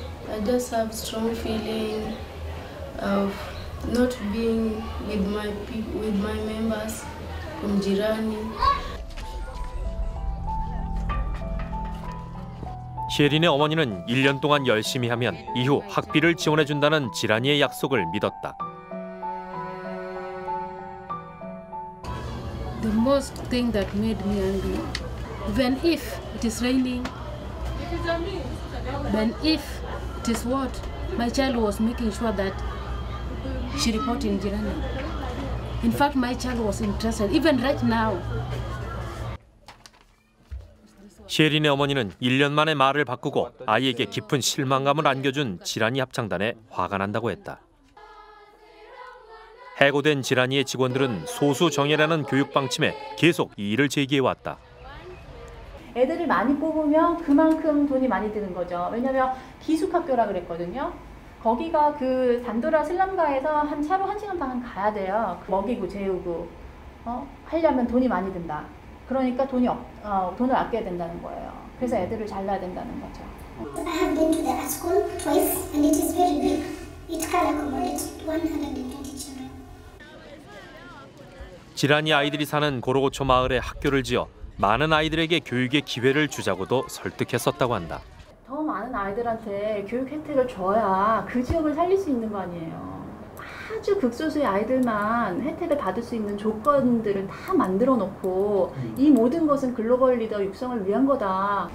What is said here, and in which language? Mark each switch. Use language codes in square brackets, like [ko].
[en] I just have strong feeling of not being with my people, with my members from Jirani. [ko] 시혜린의 어머니는 1년 동안 열심히 하면 이후 학비를 지원해 준다는 지란이의 약속을 믿었다. [en] The most thing that made me angry, even if it is raining, when if it is what my child was making sure that she reported in Jirani. In fact, my child was interested even right now. [ko] 시혜린의 어머니는 1년 만에 말을 바꾸고 아이에게 깊은 실망감을 안겨준 지란이 합창단에 화가 난다고 했다. 해고된 지란이의 직원들은 소수 정예라는 교육 방침에 계속 이의를 제기해 왔다. 애들을 많이 뽑으면 그만큼 돈이 많이 드는 거죠. 왜냐하면 기숙학교라 그랬거든요. 거기가 그 단도라 슬럼가에서 한 차로 한 시간 반 가야 돼요. 먹이고 재우고 하려면 돈이 많이 든다. 그러니까 돈이 돈을 아껴야 된다는 거예요. 그래서 애들을 잘라야 된다는 거죠. [en] I have been to the school twice and it is very big. It can accommodate [ko] 지란이 아이들이 사는 고로고초 마을에 학교를 지어 많은 아이들에게 교육의 기회를 주자고도 설득했었다고 한다. 더 많은 아이들한테 교육 혜택을 줘야 그 지역을 살릴 수 있는 거 아니에요. 아주 극소수의 아이들만 혜택을 받을 수 있는 조건들을 다 만들어 놓고 이 모든 것은 글로벌 리더 육성을 위한 거다.